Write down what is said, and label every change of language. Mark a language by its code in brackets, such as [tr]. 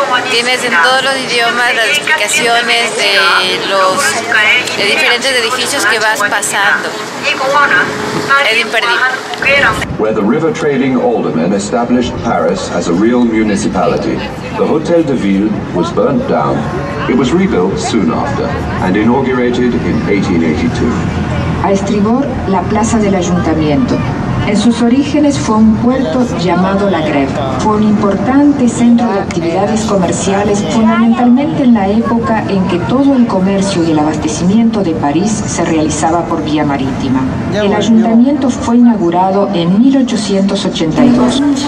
[es] Tienes en todos los idiomas las explicaciones de los de diferentes edificios que vas pasando. Es imperdible. [en] Where the river trading aldermen established Paris as a real municipality, the Hôtel de Ville was burnt down. It was rebuilt soon after and inaugurated in 1882. [es] A estribor, la Plaza del Ayuntamiento. En sus orígenes fue un puerto llamado La Grève. Fue un importante centro de actividades comerciales, fundamentalmente en la época en que todo el comercio y el abastecimiento de París se realizaba por vía marítima. El ayuntamiento fue inaugurado en 1882.